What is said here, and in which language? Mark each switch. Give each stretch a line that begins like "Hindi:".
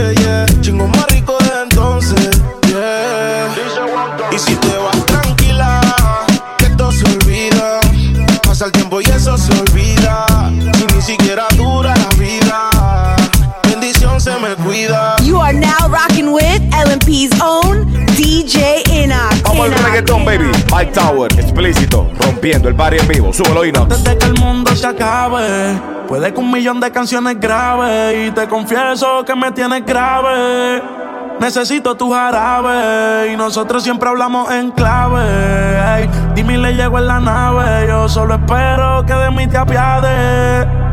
Spanish: Yeah, chingo más rico de entonces. Yeah. Y si te vas tranquila, que esto se olvida. Pasa el tiempo y eso se olvida. Si ni siquiera dura la vida, bendición se me cuida.
English: You are now rocking with LMP's own DJ Inox.
Spanish: Vamos al reggaetón, baby. Mike Tower, explícito, rompiendo el party en vivo. Súbelo, Inox. Desde que el mundo se acabe, puede que un millón de canciones grave. Y te confieso que me tienes grave. Necesito tu jarabe. Y nosotros siempre hablamos en clave. Ey, dime, le llego en la nave. Yo solo espero que de mí te apiade.